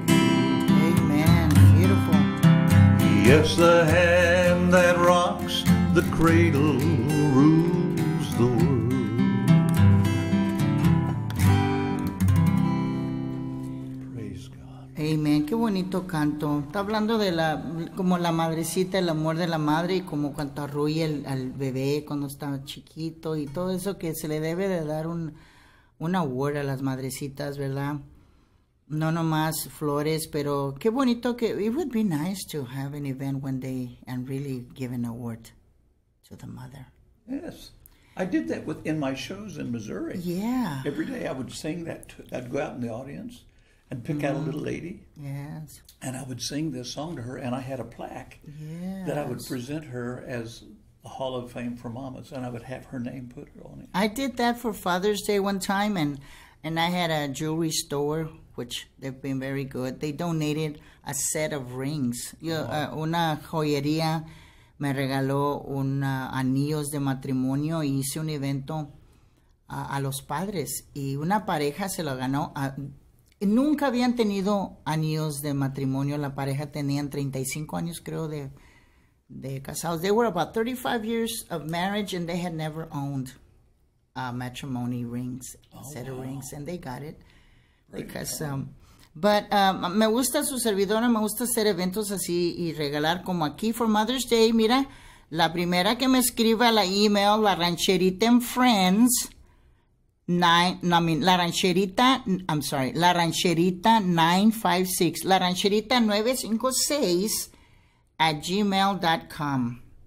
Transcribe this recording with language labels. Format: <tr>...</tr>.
<en>Amen. Beautiful. Yes, the hand that rocks the cradle rules the world. Praise God.</en> <es>Amen. Qué bonito canto. Está hablando de la, como la madrecita, el amor de la madre y como cuanto arrulla al bebé cuando está chiquito y todo eso que se le debe de dar un award a las madrecitas, ¿verdad? No nomás flores, pero qué bonito que,</es> <en>it would be nice to have an event one day and really give an award to the mother. Yes. I did that in my shows in Missouri. Yeah. Every day I would sing that. I'd go out in the audience and pick out a little lady. Yes. And I would sing this song to her, and I had a plaque that I would present her as a Hall of Fame for Mamas, and I would have her name put on it. I did that for Father's Day one time, and I had a jewelry store, which they've been very good. They donated a set of rings.</en> <es>Una joyería me regaló un anillos de matrimonio y hice un evento a los padres. Y una pareja se lo ganó. Nunca habían tenido anillos de matrimonio. La pareja tenían 35 años, creo, de casados.</es> <en>They were about 35 years of marriage and they had never owned matrimony rings, set of rings, and they got it Great because, job.</en> <es>me gusta su servidora, me gusta hacer eventos así y regalar como aquí</es> <en>for Mother's Day.</en> <es>Mira, la primera que me escriba la email, la rancherita en Friends, nine, no,</es> <en>I mean,</en> <es>la rancherita,</es> <en>I'm sorry,</en> <es>la rancherita 956, la rancherita 956 at gmail.com.</es>